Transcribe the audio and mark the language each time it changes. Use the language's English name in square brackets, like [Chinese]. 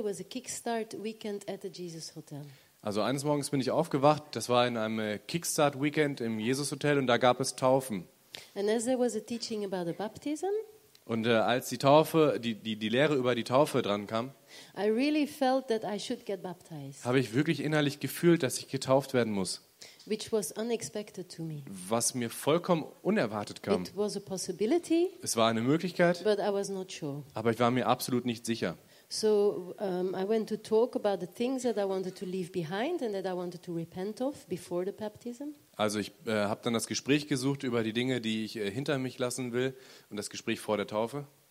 [English] There was a kickstart weekend at the Jesus Hotel. [German] Also eines Morgens bin ich aufgewacht. Das war in einem Kickstart Weekend im Jesus Hotel und da gab es Taufen. [English] And as there was a teaching about the baptism. [German] Und als die Taufe, die Lehre über die Taufe dran kam, [English] I really felt that I should get baptized. [German] Habe ich wirklich innerlich gefühlt, dass ich getauft werden muss. [English] Which was unexpected to me. [German] Was mir vollkommen unerwartet kam. [English] It was a possibility, [German] es war eine Möglichkeit, [English] but I was not sure. [German] Aber ich war mir absolut nicht sicher. [English] So I went to talk about the things that I wanted to leave behind and that I wanted to repent of before the baptism. [German] Also ich habe dann das Gespräch gesucht über die Dinge, die ich hinter mich lassen will und das Gespräch vor der Taufe.